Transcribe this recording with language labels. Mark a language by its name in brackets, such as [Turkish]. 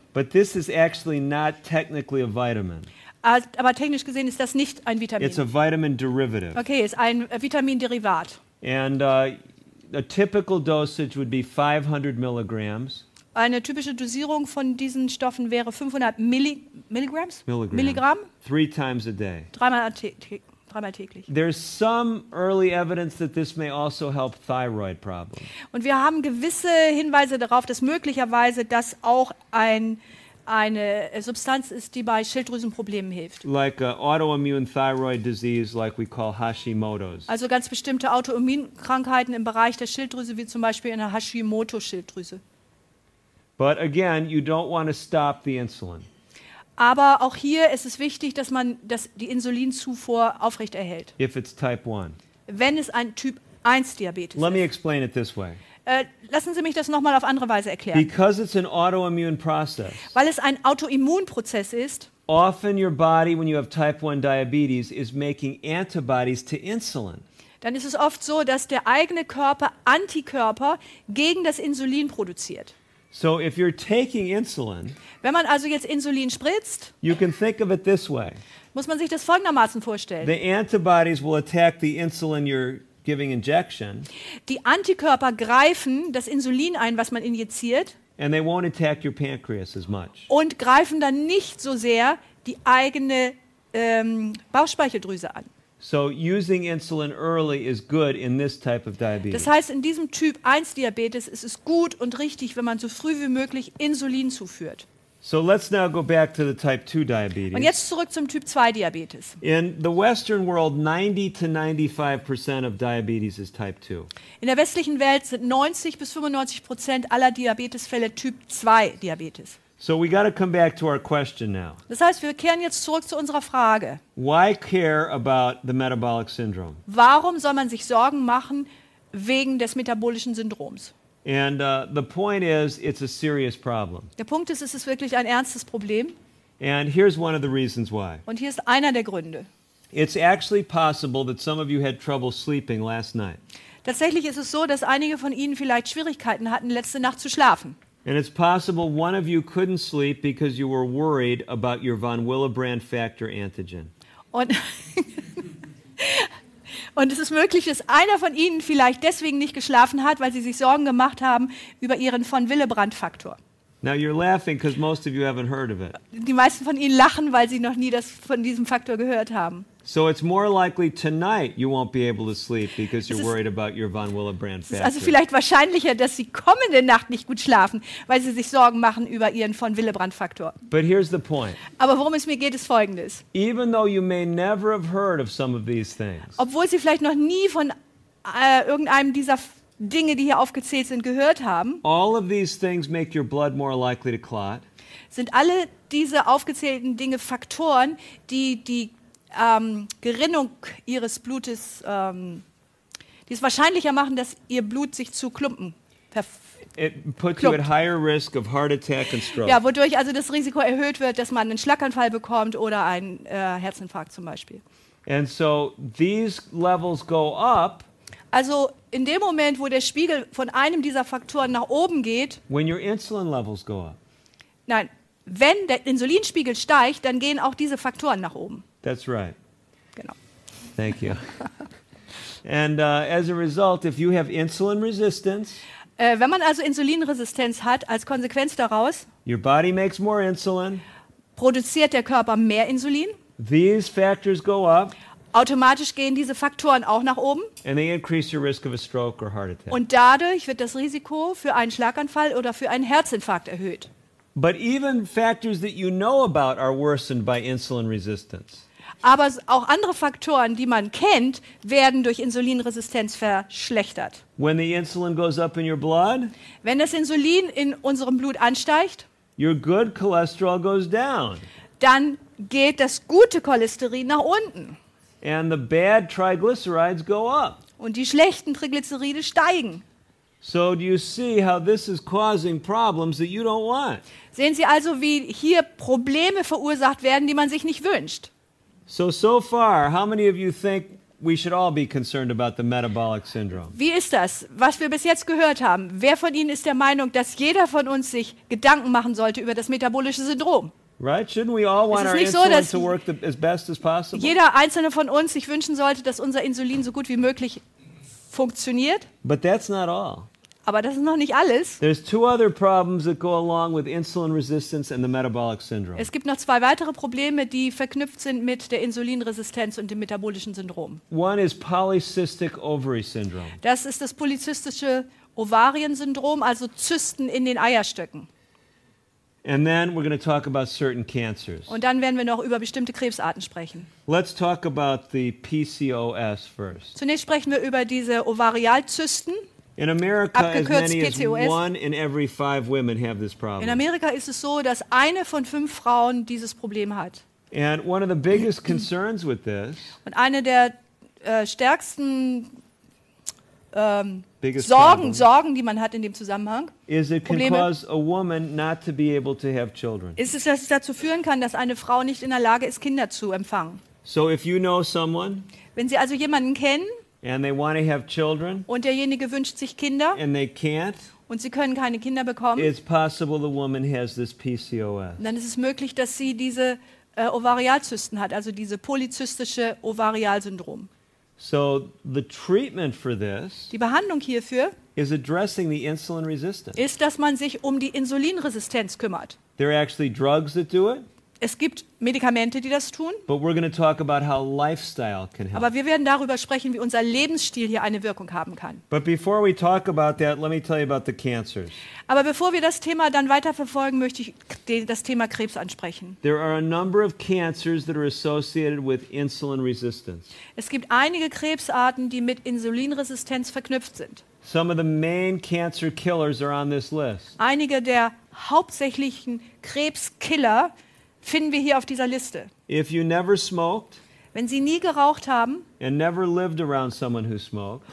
[English] But this is actually not technically a vitamin. [German] Aber technisch gesehen ist das nicht ein Vitamin. [English] It's a vitamin derivative. [German] Okay, ist ein Vitaminderivat. [English] And a typical dosage would be 500 milligrams. [German] Eine typische Dosierung von diesen Stoffen wäre 500 Milligramm. [English] Milligramm. 3 times a day. [German] Dreimal am Tag. dreimal täglich. [English] There's some early evidence that this may also help thyroid problems. [German] Und wir haben gewisse Hinweise darauf, dass möglicherweise das auch eine Substanz ist, die bei Schilddrüsenproblemen hilft. [English] Like an autoimmune thyroid disease, like we call Hashimoto's. [German] Also ganz bestimmte Autoimmunkrankheiten im Bereich der Schilddrüse, wie zum Beispiel in der Hashimoto-Schilddrüse. [English] But again, you don't want to stop the insulin. [German] Aber auch hier ist es wichtig, dass man die Insulinzufuhr aufrechterhält. [English] If it's type 1. [German] Wenn es ein Typ 1 Diabetes ist. [English] Let me explain it this way. [German] Lassen Sie mich das nochmal auf andere Weise erklären. [English] Because it's an autoimmune process. [German] Weil es ein Autoimmunprozess ist. [English] Often your body, when you have type 1 diabetes, is making antibodies to insulin. [German] Dann ist es oft so, dass der eigene Körper Antikörper gegen das Insulin produziert. [English] So if you're taking insulin, [German] wenn man also jetzt Insulin spritzt, [English] you can think of it this way. [German] Muss man sich das folgendermaßen vorstellen. [English] The antibodies will attack the insulin you're giving injection. [German] Die Antikörper greifen das Insulin ein, was man injiziert. [English] And they won't attack your pancreas as much. [German] Und greifen dann nicht so sehr die eigene Bauchspeicheldrüse an. [English] So using insulin early is good in this type of diabetes. [German] Das heißt, in diesem Typ 1 Diabetes ist es gut und richtig, wenn man so früh wie möglich Insulin zuführt. [English] So let's now go back to the type 2 diabetes. [German] Und jetzt zurück zum Typ 2 Diabetes. [English] In the Western world, 90-95% of diabetes is type 2. [German] In der westlichen Welt sind 90-95% aller Diabetesfälle Typ 2 Diabetes. [English] So we got to come back to our question now. [German] Das heißt, wir kehren jetzt zurück zu unserer Frage. [English] Why care about the metabolic syndrome? [German] Warum soll man sich Sorgen machen wegen des metabolischen Syndroms? [English] And the point is, it's a serious problem. [German] Der Punkt ist, es ist wirklich ein ernstes Problem. [English] And here's one of the reasons why. [German] Und hier ist einer der Gründe. [English] It's actually possible that some of you had trouble sleeping last night. [German] Tatsächlich ist es so, dass einige von Ihnen vielleicht Schwierigkeiten hatten, letzte Nacht zu schlafen. [English] And it's possible one of you couldn't sleep because you were worried about your von Willebrand factor antigen. [German] Und es ist möglich, dass einer von Ihnen vielleicht deswegen nicht geschlafen hat, weil Sie sich Sorgen gemacht haben über Ihren von Willebrand-Faktor. [English] Now you're laughing because most of you haven't heard of it. [German] Die meisten von Ihnen lachen, weil Sie noch nie das von diesem Faktor gehört haben. [English] So it's more likely tonight you won't be able to sleep because you're worried about your von Willebrand factor. [German] Es ist also vielleicht wahrscheinlicher, dass Sie kommende Nacht nicht gut schlafen, weil Sie sich Sorgen machen über Ihren von Willebrand-Faktor. [English] But here's the point. [German] Aber worum es mir geht, ist Folgendes. [English] Even though you may never have heard of some of these things. [German] Obwohl Sie vielleicht noch nie von irgendeinem dieser Dinge, die hier aufgezählt sind, gehört haben. [English] All of these things make your blood more likely to clot. [German] Sind alle diese aufgezählten Dinge Faktoren, die die Gerinnung Ihres Blutes, die es wahrscheinlicher machen, dass Ihr Blut sich zu Klumpen [English] You at higher risk of heart attack and stroke. [German] Ja, wodurch also das Risiko erhöht wird, dass man einen Schlaganfall bekommt oder einen Herzinfarkt zum Beispiel. [English] And so these levels go up. [German] Also in dem Moment, wo der Spiegel von einem dieser Faktoren nach oben geht, [English] when your insulin levels go up. [German] Nein, wenn der Insulinspiegel steigt, dann gehen auch diese Faktoren nach oben. [English] That's right. [German] Genau. [English] Thank you. And as a result, if you have insulin resistance, [German] wenn man also Insulinresistenz hat, als Konsequenz daraus, [English] your body makes more insulin, [German] produziert der Körper mehr Insulin, [English] these factors go up, [German] automatisch gehen diese Faktoren auch nach oben, [English] and they increase your risk of a stroke or heart attack. [German] Und dadurch wird das Risiko für einen Schlaganfall oder für einen Herzinfarkt erhöht. [English] But even factors that you know about are worsened by insulin resistance. [German] Aber auch andere Faktoren, die man kennt, werden durch Insulinresistenz verschlechtert. [English] When the insulin goes up in your blood, [German] wenn das Insulin in unserem Blut ansteigt, [English] your good cholesterol goes down. [German] Dann geht das gute Cholesterin nach unten. [English] And the bad triglycerides go up. [German] Und die schlechten Triglyceride steigen. [English] So do you see how this is causing problems that you don't want? [German] Sehen Sie also, wie hier Probleme verursacht werden, die man sich nicht wünscht? [English] So far, how many of you think we should all be concerned about the metabolic syndrome? [German] Wie ist das, was wir bis jetzt gehört haben? Wer von Ihnen ist der Meinung, dass jeder von uns sich Gedanken machen sollte über das metabolische Syndrom? [English] Right, shouldn't we all want our insulin to work as best as possible? [German] Jeder einzelne von uns sich wünschen sollte, dass unser Insulin so gut wie möglich funktioniert. [English] But that's not all. [German] Aber das ist noch nicht alles. [English] There's two other problems that go along with insulin resistance and the metabolic syndrome. [German] Es gibt noch zwei weitere Probleme, die verknüpft sind mit der Insulinresistenz und dem metabolischen Syndrom. [English] One is polycystic ovary syndrome. [German] Das ist das polyzystische Ovariensyndrom, also Zysten in den Eierstöcken. [English] And then we're going to talk about certain cancers. [German] Und dann werden wir noch über bestimmte Krebsarten sprechen. [English] Let's talk about the PCOS first. [German] Zunächst sprechen wir über diese Ovarialzysten. [English] In America, as many as one in every five women have this problem. [German] In Amerika ist es so, dass eine von fünf Frauen dieses Problem hat. [English] And one of the biggest concerns with this. [German] Und eine der stärksten Sorgen, die man hat in dem Zusammenhang, [English] is it can cause a woman not to be able to have children. [German] Ist es, dass es dazu führen kann, dass eine Frau nicht in der Lage ist, Kinder zu empfangen? [English] So if you know someone, [German] wenn Sie also jemanden kennen, [English] and they want to have children, [German] und derjenige wünscht sich Kinder, [English] and they can't, [German] und sie können keine Kinder bekommen, [English] it's possible the woman has this PCOS. [German] Dann ist es möglich, dass sie diese Ovarialzysten hat, also diese polyzystische Ovarialsyndrom. [English] So the treatment for this, [German] die Behandlung hierfür, [English] is addressing the insulin resistance. [German] Ist, dass man sich um die Insulinresistenz kümmert. [English] There are actually drugs that do it. [German] Es gibt Medikamente, die das tun. [English] But we're going to talk about how lifestyle can help. [German] Aber wir werden darüber sprechen, wie unser Lebensstil hier eine Wirkung haben kann. [English] But before we talk about that, let me tell you about the cancers. [German] Aber bevor wir das Thema dann weiterverfolgen, möchte ich das Thema Krebs ansprechen. [English] There are a number of cancers that are associated with insulin resistance. [German] Es gibt einige Krebsarten, die mit Insulinresistenz verknüpft sind. [English] Some of the main cancer killers are on this list. [German] Einige der hauptsächlichen Krebskiller finden wir hier auf dieser Liste. [English] If you never smoked, [German] wenn Sie nie geraucht haben [English] and never lived around someone who smoked,